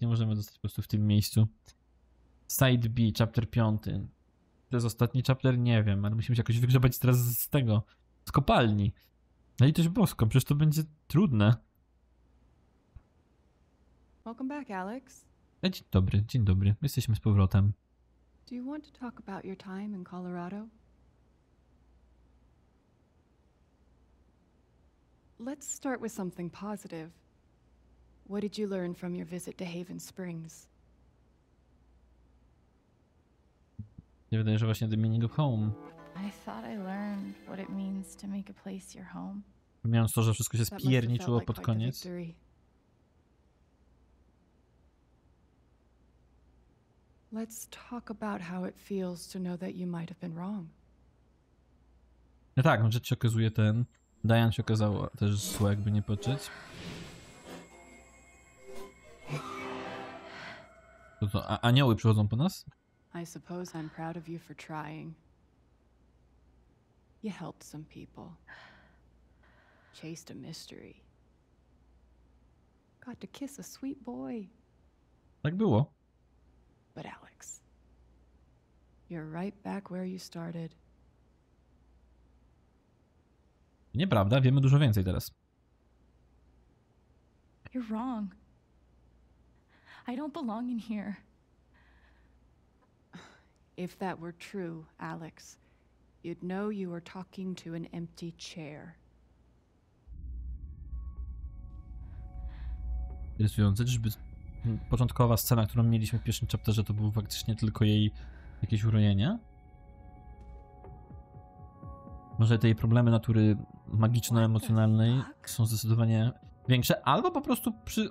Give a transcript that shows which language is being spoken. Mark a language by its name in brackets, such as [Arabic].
[Polish] Nie możemy zostać po prostu w tym miejscu. [English] Side B, chapter 5. [Polish] To jest ostatni chapter? Nie wiem, ale musimy się jakoś wygrzebać teraz z tego. Z kopalni. No i litość boską, przecież to będzie trudne. [English] Welcome back, Alex. [Polish] Dzień dobry, jesteśmy z powrotem. [English] Do you want to talk about your time in Colorado? Let's start with something positive. What did you learn from your visit to Haven Springs? [Polish] Nie wydaje, że właśnie [English] the meaning of home. I thought I learned what it means to make a place your home. [Polish] Miałem to, że wszystko się spierniczyło pod koniec. [English] Let's talk about how it feels to know that you might have been wrong. [Polish] No tak, rzecz się okazuje ten. Diane się okazało też złe, jakby nie patrzeć. To co, anioły przychodzą po nas? [English] I suppose I'm proud of you for trying. You helped some people. Chased a mystery. Got to kiss a sweet boy. [Polish] Tak było. [English] But Alex, you're right back where you started. [Polish] Nieprawda, wiemy dużo więcej teraz. [English] You're wrong. I don't belong in here. If that were true, Alex, you'd know you were talking to an empty chair. [Polish] Interesujące, żeby początkowa scena, którą mieliśmy w pierwszym chapterze, to było faktycznie tylko jej jakieś urojenie? Może te jej problemy natury magiczno-emocjonalnej są zdecydowanie większe, albo po prostu przy...